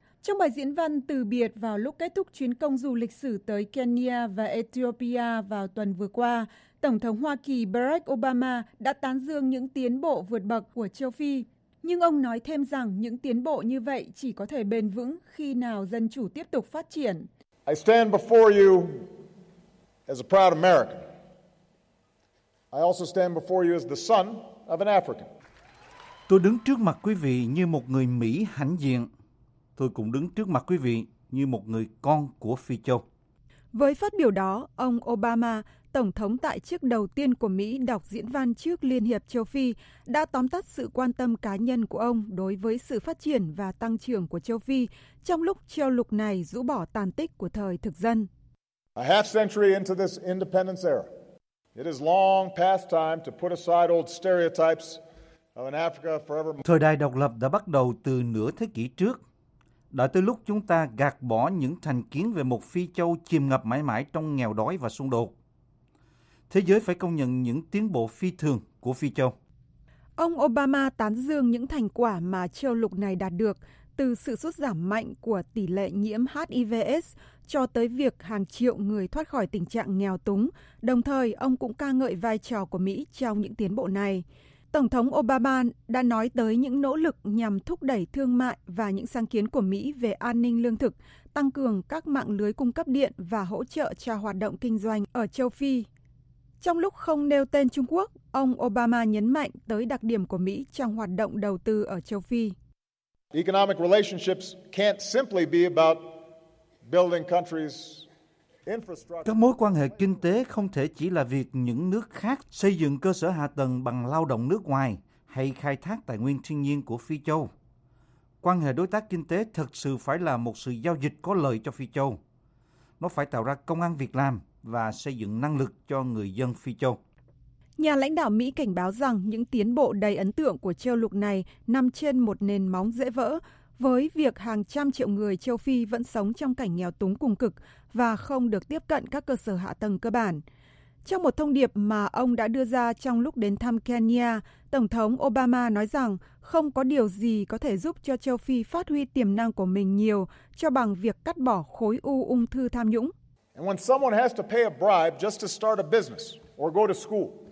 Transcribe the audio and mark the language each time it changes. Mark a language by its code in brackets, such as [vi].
[vi] Trong bài diễn văn từ biệt vào lúc kết thúc chuyến công du lịch sử tới Kenya và Ethiopia vào tuần vừa qua, Tổng thống Hoa Kỳ Barack Obama đã tán dương những tiến bộ vượt bậc của Châu Phi. Nhưng ông nói thêm rằng những tiến bộ như vậy chỉ có thể bền vững khi nào dân chủ tiếp tục phát triển. [en] I stand before you as a proud American. I also stand before you as the son of an African. [vi] Tôi đứng trước mặt quý vị như một người Mỹ hãnh diện. Tôi cũng đứng trước mặt quý vị như một người con của Phi Châu. Với phát biểu đó, ông Obama, Tổng thống tại chức đầu tiên của Mỹ đọc diễn văn trước Liên hiệp Châu Phi, đã tóm tắt sự quan tâm cá nhân của ông đối với sự phát triển và tăng trưởng của Châu Phi trong lúc châu lục này rũ bỏ tàn tích của thời thực dân. [en] A half century into this independence era, it is long past time to put aside old stereotypes of an Africa forever. [vi] Thời đại độc lập đã bắt đầu từ nửa thế kỷ trước. Đã tới lúc chúng ta gạt bỏ những thành kiến về một Phi Châu chìm ngập mãi mãi trong nghèo đói và xung đột. Thế giới phải công nhận những tiến bộ phi thường của Phi Châu. Ông Obama tán dương những thành quả mà châu lục này đạt được, từ sự sút giảm mạnh của tỷ lệ nhiễm HIV/AIDS cho tới việc hàng triệu người thoát khỏi tình trạng nghèo túng. Đồng thời, ông cũng ca ngợi vai trò của Mỹ trong những tiến bộ này. Tổng thống Obama đã nói tới những nỗ lực nhằm thúc đẩy thương mại và những sáng kiến của Mỹ về an ninh lương thực, tăng cường các mạng lưới cung cấp điện và hỗ trợ cho hoạt động kinh doanh ở châu Phi. Trong lúc không nêu tên Trung Quốc, ông Obama nhấn mạnh tới đặc điểm của Mỹ trong hoạt động đầu tư ở châu Phi. [en] Economic relationships can't simply be about building countries. [vi] Các mối quan hệ kinh tế không thể chỉ là việc những nước khác xây dựng cơ sở hạ tầng bằng lao động nước ngoài hay khai thác tài nguyên thiên nhiên của Phi Châu. Quan hệ đối tác kinh tế thực sự phải là một sự giao dịch có lợi cho Phi Châu. Nó phải tạo ra công ăn việc làm và xây dựng năng lực cho người dân Phi Châu. Nhà lãnh đạo Mỹ cảnh báo rằng những tiến bộ đầy ấn tượng của châu lục này nằm trên một nền móng dễ vỡ, với việc hàng trăm triệu người châu Phi vẫn sống trong cảnh nghèo túng cùng cực và không được tiếp cận các cơ sở hạ tầng cơ bản. Trong một thông điệp mà ông đã đưa ra trong lúc đến thăm Kenya, Tổng thống Obama nói rằng không có điều gì có thể giúp cho châu Phi phát huy tiềm năng của mình nhiều cho bằng việc cắt bỏ khối u ung thư tham nhũng. [en] And when someone has to pay a bribe just to start a business or go to school.